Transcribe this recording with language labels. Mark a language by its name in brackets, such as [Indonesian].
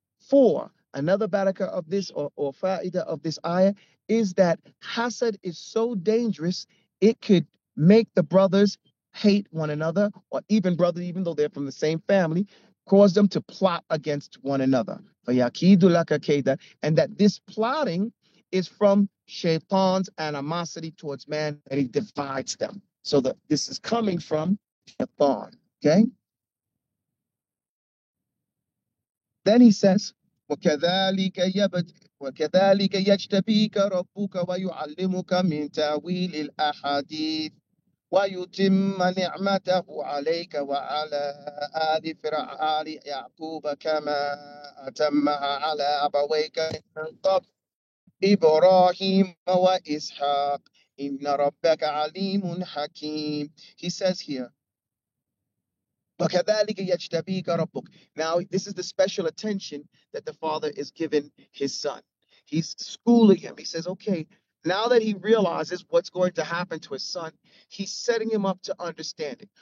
[English] Four, another barakah of this or faida of this ayah is that hasad is so dangerous, it could make the brothers hate one another, or even brothers, even though they're from the same family, cause them to plot against one another. [Arabic] فَيَكِيدُ لَكَ كَيْدًا. [English] And that this plotting is from shaitan's animosity towards man, and he divides them. So that this is coming from shaitan, okay? Then he says, [Arabic] وَكَذَلِكَ يَبْتَ وكذلك يجتبيك ربك ويعلمك من تأويل الأحاديث ويتم نعمته عليك وعلى آل فرعون يعقوب كما أتمها على أبويك من قبل إبراهيم وإسحاق إن ربك عليم حكيم. [English] He says here, [Arabic] وَكَذَلِكَ يَجْتَبِيكَ رَبُّكَ. [English] Now, this is the special attention that the father is giving his son. He's schooling him. He says, okay, now that he realizes what's going to happen to his son, he's setting him up to understand it.